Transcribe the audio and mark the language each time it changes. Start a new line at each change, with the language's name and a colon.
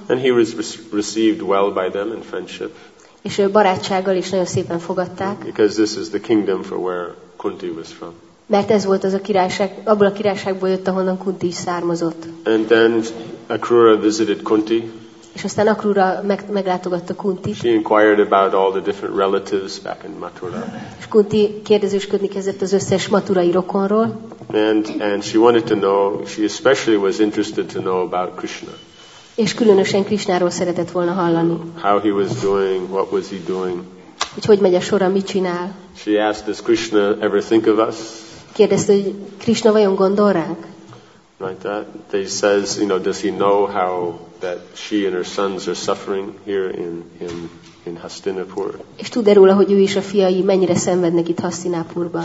English: And he was received well by them in friendship.
Hungarian: És ő barátsággal is nagyon szépen fogadták.
English: Because this is the kingdom for where Kunti was from.
Hungarian: Mert ez volt az a királyság, abból a királyságból jött, ahonnan Kunti is származott.
English: And then Akrura visited Kunti.
Hungarian: És aztán Akrura meglátogatta Kunti.
English: She inquired about all the different relatives back in Mathura.
Hungarian: És Kunti kérdezősködni kezdett az összes maturai rokonról.
English: And she wanted to know, she especially was interested to know about Krishna.
Hungarian: És különösen Krishnáról szeretett volna hallani.
English: How he was doing, what was he doing?
Hungarian: Hogy megy a sora, mit csinál?
English: She asked, does Krishna ever think of us?
Hungarian: Kérdezte, hogy Krishna vajon gondol ránk?
English: Like that. They says, you know, does he know how that she and her sons are suffering here in Hastinapur?
Hungarian: És tud-e róla, hogy ő és a fiai mennyire szenvednek itt Hastinapurban?